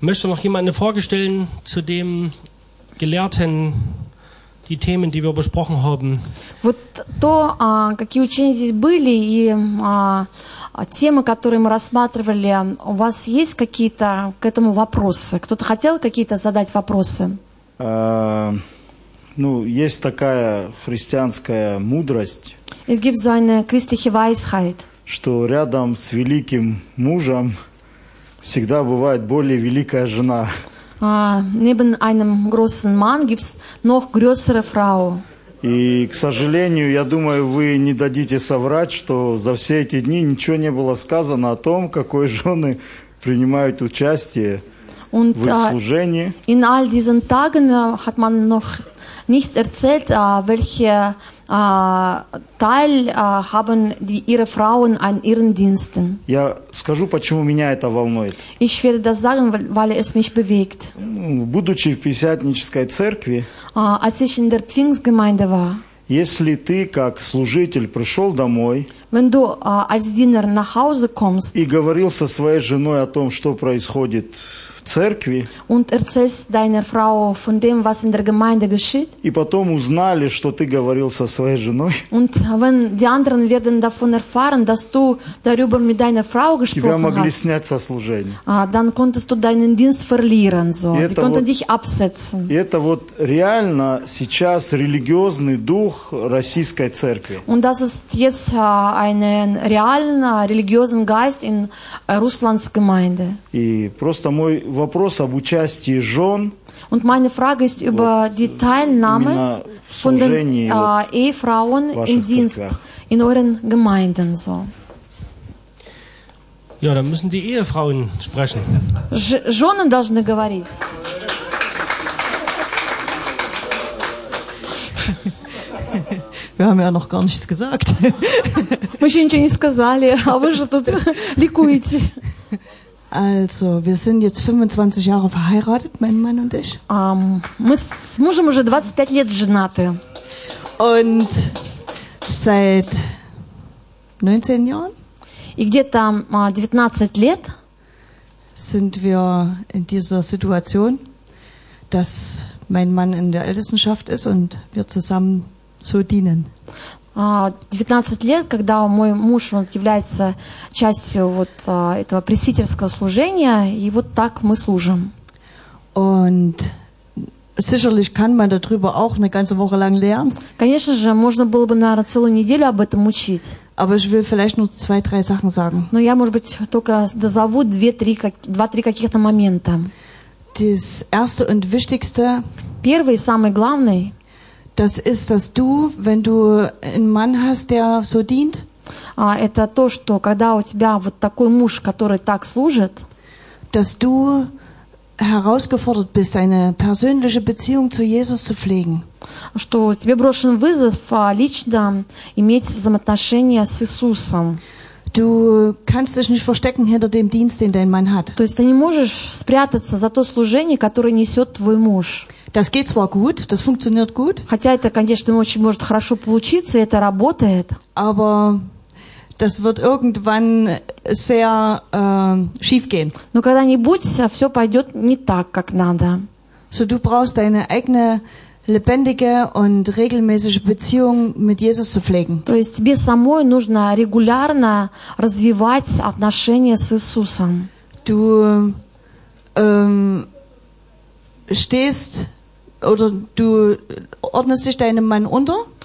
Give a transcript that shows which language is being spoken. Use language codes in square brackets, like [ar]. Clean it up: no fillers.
[de] Möchte noch jemand eine Frage stellen zu dem Gelehrten, die Themen, die wir besprochen haben? [ru] Вот то, какие учения здесь были и темы, которые мы рассматривали, у вас есть какие-то к этому вопросы? Кто-то хотел какие-то задать вопросы? Ну, есть такая христианская мудрость. [de] Es gibt so eine christliche Weisheit. [ru] Что рядом с великим мужем всегда бывает более великая жена. [de] Neben einem großen Mann gibt's noch größere Frau. [ru] И, к сожалению, я думаю, вы не дадите соврать, что за все эти дни ничего не было сказано о том, какой жены принимают участие [de] Und, [ru] в их служении. [de] In all diesen Tagen hat man noch nichts erzählt, welche Teil haben die ihre Frauen an ihren Diensten. [ru] Я скажу, почему меня это волнует. [de] Ich werde das sagen, weil es mich bewegt. [ru] Будучи в Пятидесятнической церкви, [de] als ich in der Pfingstgemeinde war, [ru] если ты как служитель пришел домой, [de] wenn du als Diener nach Hause kommst, [ru] и говорил со своей женой о том, что происходит в церкви, [de] und erzählst deiner Frau von dem, was in der Gemeinde geschieht, [ru] и потом узнали, что ты говорил со своей женой, [de] und wenn die anderen werden davon erfahren, dass du darüber mit deiner Frau gesprochen hast, [ru] тебя могли снять со служения, [de] dann konntest du deinen Dienst verlieren, so. Sie konnten dich absetzen. [ru] И это вот реально сейчас религиозный дух российской церкви. [de] Und das ist jetzt einen realen religiösen Geist in Russlands Gemeinde. [ru] И просто мой вопрос об участии жен. [de] Und meine Frage ist über вот, die Teilnahme von den Ehefrauen im Dienst in euren Gemeinden so. Ja, dann müssen die Ehefrauen sprechen. [ru] Жены должны говорить. [de] Wir haben ja noch gar nichts gesagt. [ru] Мы еще ничего не сказали, а вы же тут ликуете. [de] Also, wir sind jetzt 25 Jahre verheiratet, mein Mann und ich. [ru] Мы с мужем уже 25 лет женаты. [de] Und seit 19 Jahren? [ru] И где-то 19 лет [de] sind wir in dieser Situation, dass mein Mann in der Ältestenschaft ist und wir zusammen so dienen. [ru] 19 лет, когда мой муж он является частью вот этого пресвитерского служения, и вот так мы служим. [de] Und sicherlich kann man darüber auch eine ganze Woche lang lernen. [ru] Конечно же, можно было бы, наверное, целую неделю об этом учить. [de] Aber ich will vielleicht nur zwei, drei Sachen sagen. [ru] Но я, может быть, только дозову два-три каких-то момента. [de] Das erste und wichtigste. [ru] Первый и самый главный. [de] Das ist, dass du, wenn du einen Mann hast, der so dient. [ru] Это то, что когда у тебя вот такой муж, который так служит, [de] dass du herausgefordert bist, eine persönliche Beziehung zu Jesus zu pflegen. [ru] Что тебе брошен вызов лично иметь взаимоотношения с Иисусом. [de] Du kannst dich nicht verstecken hinter dem Dienst, den dein Mann hat. [ru] То есть ты не можешь спрятаться за то служение, которое несет твой муж. [de] Das geht zwar gut, das funktioniert gut. [ru] Хотя это, конечно, очень может хорошо получиться, это работает. [de] Aber das wird irgendwann sehr schief gehen. [ru] Но когда-нибудь все пойдет не так, как надо. [de] So du brauchst deine eigene lebendige und regelmäßige Beziehung mit Jesus zu pflegen. [ru] То есть тебе самой нужно регулярно развивать отношения с Иисусом. [de] Du stehst oder du ordnest dich deinem Mann unter?